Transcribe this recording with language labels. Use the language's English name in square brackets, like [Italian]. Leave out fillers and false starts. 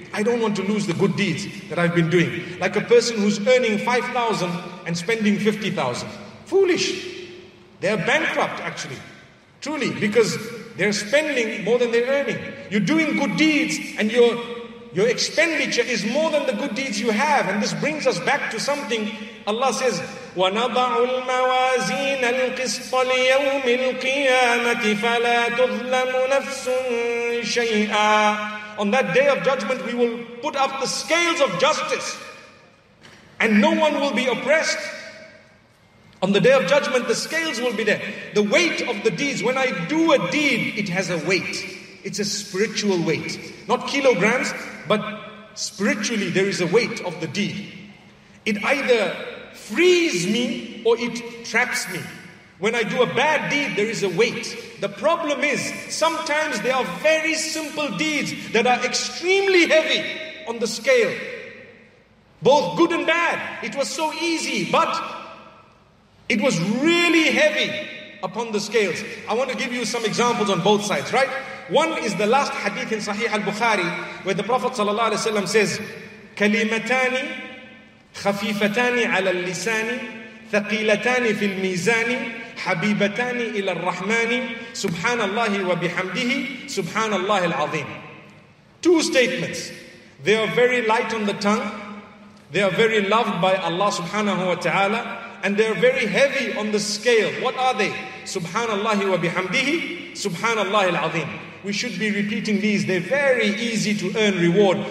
[English] I don't want to lose the good deeds that I've been doing. Like a person who's earning 5,000 and spending 50,000. Foolish. They're bankrupt, actually. Truly, because they're spending more than they're earning. You're doing good deeds and your expenditure is more than the good deeds you have. And this brings us back to something. Allah says, [Arabic] وَنَضَعُ الْمَوَازِينَ الْقِسْطَ لِيَوْمِ الْقِيَامَةِ فَلَا تُظْلَمُ نَفْسٌ شَيْئًا. [English] On that day of judgment, we will put up the scales of justice and no one will be oppressed. On the day of judgment, the scales will be there. The weight of the deeds. When I do a deed, it has a weight. It's a spiritual weight. Not kilograms, but spiritually there is a weight of the deed. It either frees me or it traps me. When I do a bad deed, there is a weight. The problem is, sometimes there are very simple deeds that are extremely heavy on the scale. Both good and bad. It was so easy, but it was really heavy upon the scales. I want to give you some examples on both sides, right? One is the last hadith in Sahih al-Bukhari, where the Prophet sallallahu alaihi wasallam says, [Arabic] كَلِمَتَانِ خَفِيفَتَانِ عَلَى اللِّسَانِ ثَقِيلَتَانِ فِي الْمِيزَانِ حَبِيبَتَانِ إِلَى الرَّحْمَانِ سُبْحَانَ اللَّهِ وَبِحَمْدِهِ سُبْحَانَ اللَّهِ الْعَظِيمِ. [English] Two statements. They are very light on the tongue. They are very loved by Allah subhanahu wa ta'ala. And they are very heavy on the scale. What are they? Subhanallahi wa bihamdihi, subhanallahi al-azim. We should be repeating these. They're very easy to earn reward.